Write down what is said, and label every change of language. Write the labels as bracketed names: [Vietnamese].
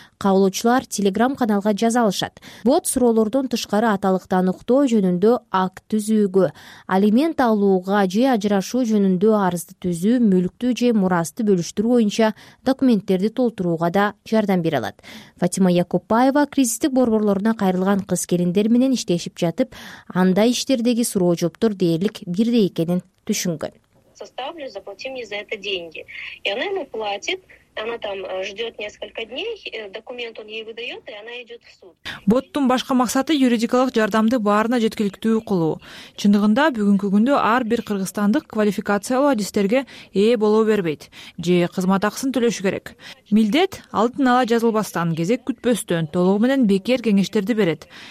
[Kyrgyz] Кабылоочулар Telegram каналга жаза алышат. Бот суроолордон тышкары аталыктан уктоо жөнүндө акт түзүүгө, алимент алууга же ажырашуу жөнүндө арызды түзүү, мүлктү же мурасты бөлүштүрүү боюнча документтерди толтурууга да жардам бере алат. Фатима Якупбаева кризистик борборлоруна кайрылган кыз келиндер менен иштешип жатып, анда иштердеги суроо жооптор дээрлик бирдей экенин түшүнгөн. [Russian] Составлю, заплати мне за это деньги. И она ему платит. Она там ждет несколько дней, документ он ей выдает, и она идет в суд. [Kyrgyz] Боттун башка максаты юридикалык жардамды баарына жеткиликтүү кылуу. Чындыгында бүгүнкү күндө ар бир кыргызстандык квалификациялуу адистерге ээ боло бербейт же кызмат акысын төлөшү керек. Милдет алдын ала жазылбастан, кезек күтпөстөн, толугу менен бекер кеңештерди берет.